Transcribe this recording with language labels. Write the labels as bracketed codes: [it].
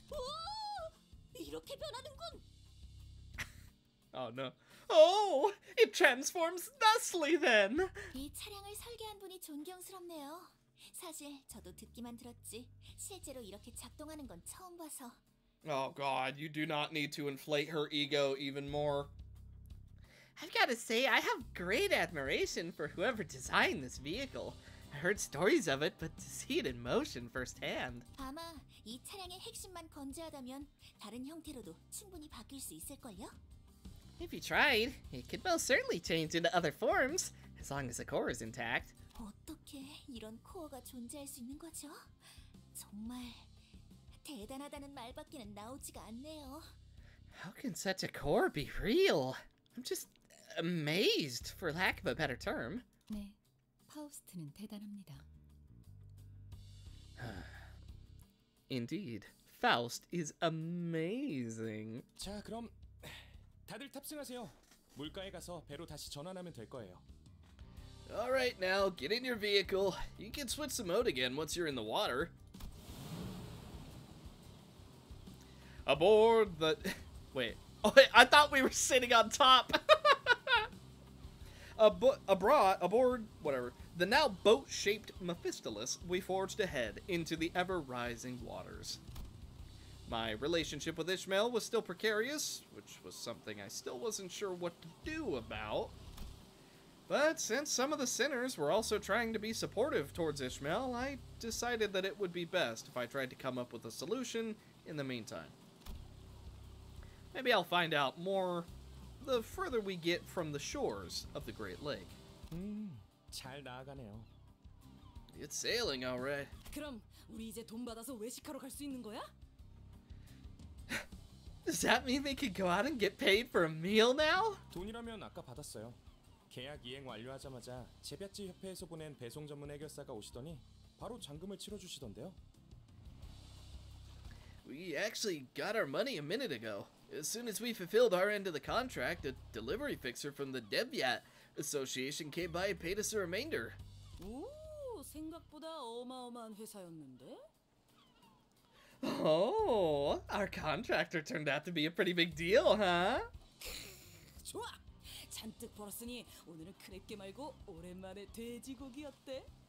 [ko] 오, 이렇게 변하는군. [en] Oh no. Oh, it transforms thusly then. [ko] 이 차량을 설계한 분이 존경스럽네요. 사실 저도 듣기만 들었지 실제로 이렇게 작동하는 건 처음 봐서. [en] Oh god, you do not need to inflate her ego even more. I've got to say, I have great admiration for whoever designed this vehicle. I heard stories of it, but to see it in motion firsthand. [ko] 아마 이 차량의 핵심만 건재하다면 다른 형태로도 충분히 바뀔 수 있을걸요? [en] If you tried, it could most certainly change into other forms, as long as the core is intact. [ko] 어떻게 이런 코어가 존재할 수 있는 거죠? 정말 대단하다는 말밖에는 나오지가 않네요. [en] How can such a core be real? I'm just amazed, for lack of a better term. [ko] 네, 파우스트는 대단합니다. [en] Indeed, Faust is amazing. [ko] 자, 그럼 다들 탑승하세요. 물가에 가서 배로 다시 전환하면 될 거예요. [en] All right, now get in your vehicle. You can switch the mode again once you're in the water. Aboard the... Wait, I thought we were sitting on top. The now boat-shaped Mephistolus, we forged ahead into the ever-rising waters. My relationship with Ishmael was still precarious, which was something I still wasn't sure what to do about. But since some of the sinners were also trying to be supportive towards Ishmael, I decided that it would be best if I tried to come up with a solution in the meantime. Maybe I'll find out more the further we get from the shores of the Great Lake. [ko] 잘 나아가네요. [en] It's sailing, all right. [ko] 그럼 우리 이제 돈 받아서 외식하러 갈 수 있는 거야? [en] Does that mean we could go out and get paid for a meal now? [ko] 돈이라면 아까 받았어요. 계약 이행 완료하자마자 제비아치 협회에서 보낸 배송 전문 해결사가 오시더니 바로 잔금을 치러 주시던데요. [en] We actually got our money a minute ago. As soon as we fulfilled our end of the contract, a delivery fixer from the Debyat Association came by and paid us the remainder. [ko] Ooh, 생각보다 어마어마한 회사였는데? [en] Oh, our contractor turned out to be a pretty big deal, huh? [ko] 좋아! 잔뜩 벌었으니 오늘은 크랩게 말고 오랜만에 돼지고기 어때?